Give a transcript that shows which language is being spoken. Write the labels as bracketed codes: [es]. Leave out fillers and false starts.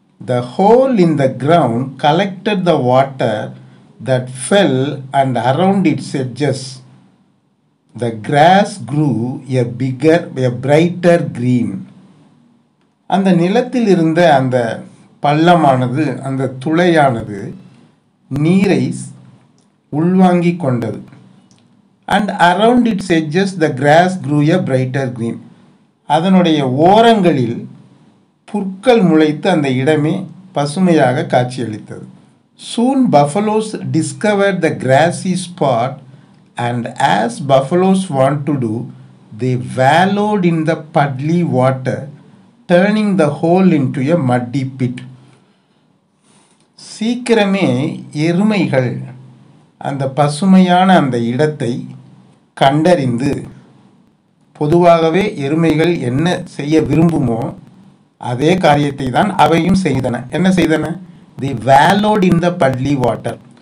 [en] The hole in the ground collected the water that fell and around its edges the grass grew a bigger a brighter green. [ta] அந்த நிலத்தில் இருந்த அந்த பள்ளமானது, அந்த துளையானது நீரை உள்வாங்கி கொண்டது. [en] And around its edges the grass grew a brighter green. [ta] அதனுடைய ஓரங்களில் புற்கள் முளைத்து அந்த இடமே பசுமையாக காட்சியளித்தது. [en] Soon buffaloes discovered the grassy spot, and as buffaloes want to do, they wallowed in the puddly water, turning the hole into a muddy pit. [ta] சீக்கிரமே எருமைகள் அந்த பசுமையான அந்த இடத்தை கண்டறிந்து, பொதுவாகவே எருமைகள் என்ன செய்ய விரும்புமோ அதே காரியத்தை தான் அவையும் செய்தன. என்ன செய்தன, [en] They wallowed in the puddly water.